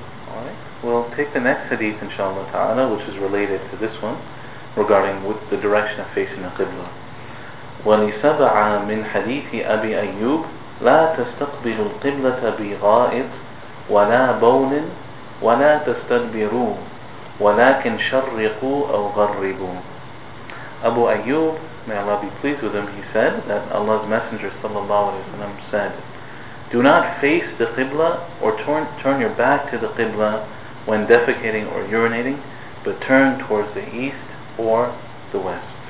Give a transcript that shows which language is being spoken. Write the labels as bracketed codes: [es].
[en] Alright. We'll take the next hadith, inshallah ta'ala, which is related to this one, regarding the direction of facing the qibla. [ar] وَلِسَبْعَ مِنْ حَدِيثِ أَبِي أَيُّوبِ لَا تَسْتَقْبِلُ الْقِبْلَةَ بِغَائِطِ ولا بول ولا تستدبروا ولكن شرقوا أو غربوا. [en] Abu Ayyub, may Allah be pleased with him, he said that Allah's Messenger ﷺ said, do not face the Qibla or turn your back to the Qibla when defecating or urinating, but turn towards the east or the west.